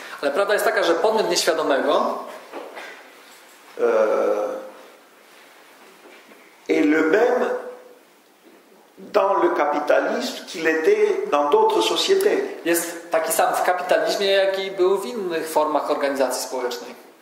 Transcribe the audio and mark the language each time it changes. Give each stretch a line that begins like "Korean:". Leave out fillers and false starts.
Polish: Ale prawda jest taka, że podmiot nieświadomego
French: est le même dans le capitalisme qu'il était dans d'autres sociétés.
Polish: Jest taki sam w kapitalizmie, jak i był w innych formach organizacji społecznej.